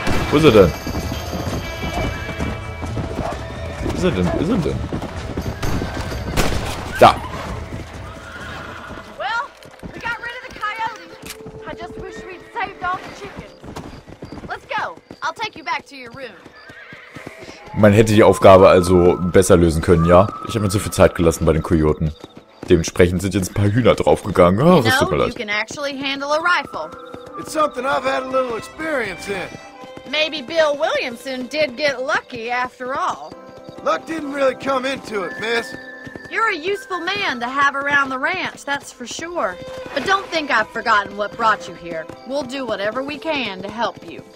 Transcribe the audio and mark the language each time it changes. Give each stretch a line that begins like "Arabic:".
German: Wo ist er denn? Wo ist er denn? Da.
English: Well, we got rid of the coyote. I just wish we'd saved all the chickens. Let's go. I'll take you back to your room.
German: Man hätte die Aufgabe also besser lösen können, ja? Ich habe mir zu viel Zeit gelassen bei den Kojoten. Dementsprechend sind jetzt ein paar Hühner draufgegangen. Oh, das tut mir leid.
English: You can actually handle a rifle. It's something I've had a little experience in. Maybe Bill Williamson did get lucky after all. Luck didn't really come into it, miss. You're a useful man to have around the ranch, that's for sure. But don't think I've forgotten what brought you here. We'll do whatever we can to help you.